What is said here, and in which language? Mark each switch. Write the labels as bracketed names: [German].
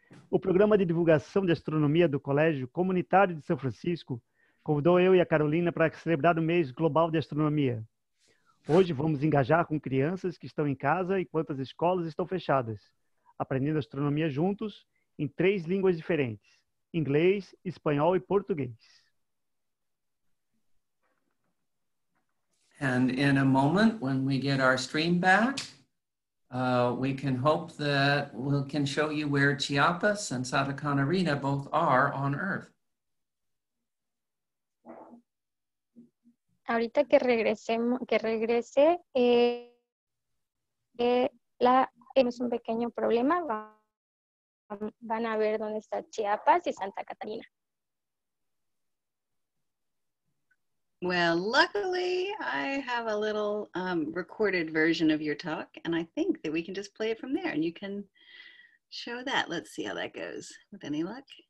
[Portuguese] O Programa de Divulgação de Astronomia do Colégio Comunitário de São Francisco convidou eu e a Carolina para celebrar o Mês Global de Astronomia. Hoje vamos engajar com crianças que estão em casa enquanto as escolas estão fechadas, aprendendo astronomia juntos em três línguas diferentes: inglês, espanhol e português. [English] And in a moment, when we get our stream back, we can hope that we can show you where Chiapas and Santa Catarina both are on Earth. [Spanish] Ahorita que regresemos, que regrese, tenemos un pequeño problema. Van a ver dónde está Chiapas y Santa Catarina. [English] Well, luckily, I have a little recorded version of your talk, and I think that we can just play it from there, and you can show that. Let's see how that goes. With any luck.